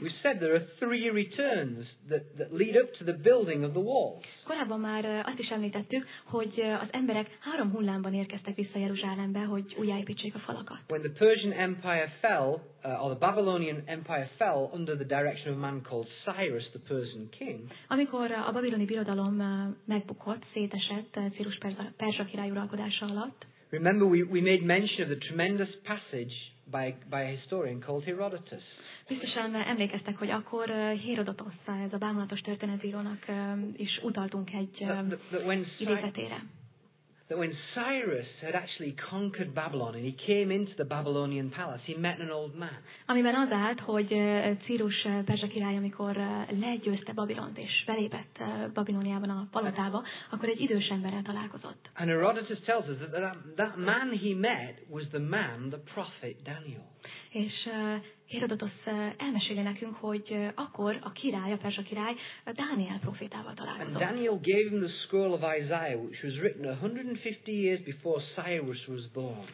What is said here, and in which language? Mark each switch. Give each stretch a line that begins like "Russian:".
English: We said there are three returns that lead up to the building of the walls.
Hungarian: Korábban már azt is említettük, hogy az emberek három hullámban érkeztek vissza Jeruzsálembe, hogy újjáépítsék a falakat.
English: When the Persian Empire fell, or the Babylonian Empire fell under the direction of a man called Cyrus, the Persian king.
Hungarian: Amikor a babiloni birodalom megbukott, szétesett Cyrus perzsa király uralkodása alatt.
English: Remember we made mention of the tremendous passage by a historian called Herodotus.
Hungarian: Biztosan emlékeztek, hogy akkor Herodotos, ez a bámulatos történetírónak is utaltunk egy idézetére.
English: That when Cyrus had actually conquered Babylon and he came into the Babylonian palace, he met an old man.
Hungarian: Amiben az állt, hogy Cyrus perzsa király, amikor legyőzte Babilont és belépett Babiloniában a palotába, akkor egy idős emberrel találkozott.
English: And Herodotus tells us that man he met was the man, the prophet Daniel.
Hungarian: És Herodotos elmeséli nekünk, hogy akkor a király, a perzsa király Dániel profétával találkozott.
English: And Daniel gave him the scroll of Isaiah, which was written 150 years before Cyrus was born.